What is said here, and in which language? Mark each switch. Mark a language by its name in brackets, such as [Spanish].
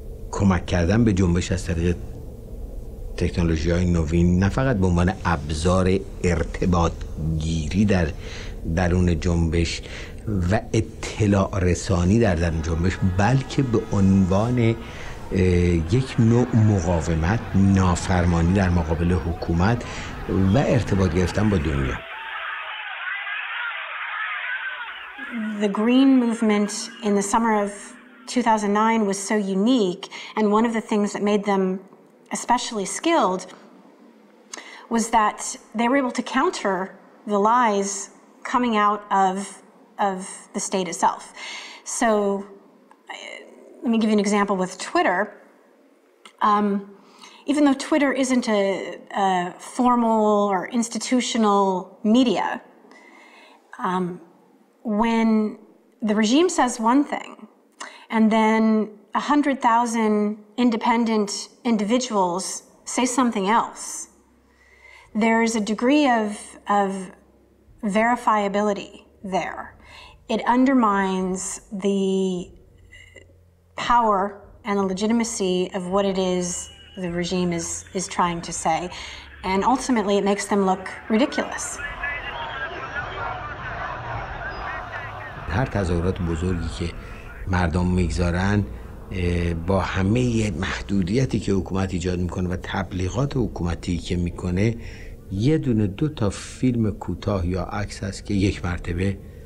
[Persian] کمک کردن به جنبش از طریق تکنولوژی های نوین، نه فقط به عنوان ابزار ارتباط گیری در درون جنبش و اطلاع رسانی در درون جنبش، بلکه به عنوان یک نوع مقاومت، نافرمانی در مقابل حکومت و ارتباط گرفتن با دنیا. [English] The Green Movement in the summer of 2009 was so unique, and one of the things that made them especially skilled was that they were able to counter the lies coming out of the state itself. So let me give you an example with Twitter. Even though Twitter isn't a formal or institutional media, when the regime says one thing, and then 100,000 independent individuals say something else, there is a degree of verifiability there. It undermines the power and the legitimacy of what it is the regime is trying to say, and ultimately it makes them look ridiculous. [Persian] هر تظاهرات بزرگی که مردم میگذارن با همه محدودیتی که حکومت ایجاد میکنه و تبلیغات حکومتی که میکنه، یه دونه دو تا فیلم کوتاه یا عکس هست که یک مرتبه